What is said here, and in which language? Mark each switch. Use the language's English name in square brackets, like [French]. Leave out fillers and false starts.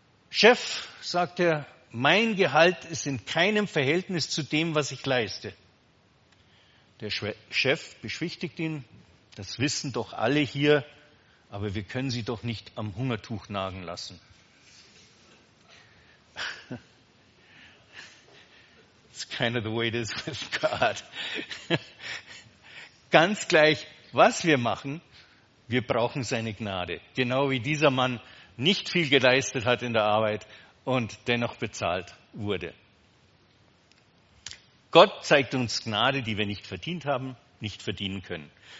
[German] Chef, sagt er, mein Gehalt ist in keinem Verhältnis zu dem, was ich leiste. Der Chef beschwichtigt ihn, das wissen doch alle hier, aber wir können sie doch nicht am Hungertuch nagen lassen. [English] It's kind of the way it is with God. [German] Ganz gleich, was wir machen, wir brauchen seine Gnade. Genau wie dieser Mann nicht viel geleistet hat in der Arbeit und dennoch bezahlt wurde. Gott zeigt uns Gnade, die wir nicht verdient haben, nicht verdienen können.